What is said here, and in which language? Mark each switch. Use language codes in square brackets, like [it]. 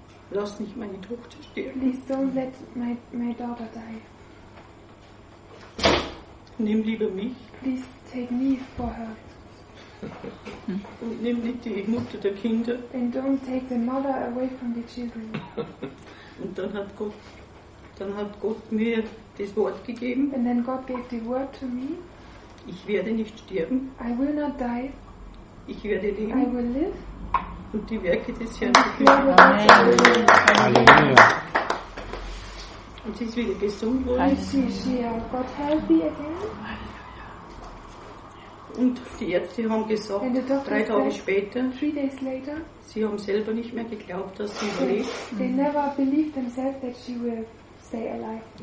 [de] Lass nicht meine Tochter sterben. [en] Please don't let my daughter die. [de] Nimm lieber mich. [en] Please take me for her. [de] Und nimm nicht die Mutter der Kinder. [en] And don't take the mother away from the children. [de] Und dann hat Gott mir das Wort gegeben. [en] And then God gave the word to me. [de] Ich werde nicht sterben. [en] I will not die. [de] Ich werde leben. [en] I will live. [de] Und die Werke des Herrn bekommen. Und sie ist wieder gesund worden. [en] God healthy again. [de] Und die Ärzte haben gesagt, 3 Tage später, [en] 3 days later, [de] sie haben selber nicht mehr geglaubt, dass sie lebt. [en] They never believed themselves that she will stay alive.